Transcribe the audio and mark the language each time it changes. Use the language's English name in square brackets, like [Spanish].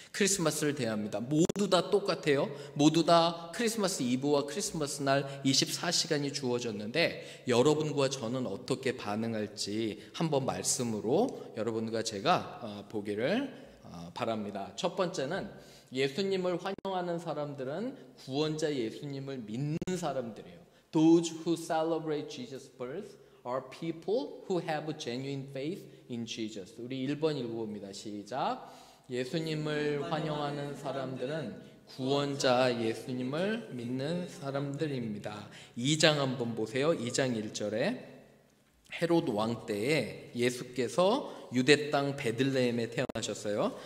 [Korean] 크리스마스를 대합니다. 모두 다 똑같아요. 모두 다 크리스마스 이브와 크리스마스 날 24시간이 주어졌는데 여러분과 저는 어떻게 반응할지 한번 말씀으로 여러분과 제가 보기를 바랍니다. 첫 번째는, 예수님을 환영하는 사람들은 구원자 예수님을 믿는 사람들이에요. [English] Those who celebrate Jesus' birth are people who have a genuine faith in Jesus. [Korean] 우리 1번 읽어봅니다. 시작. 예수님을 환영하는 사람들은 구원자 예수님을 믿는 사람들입니다. 2장 한번 보세요. 2장 1절에 헤롯 왕 때에 예수께서 유대 땅 베들레헴에 태어나셨어요.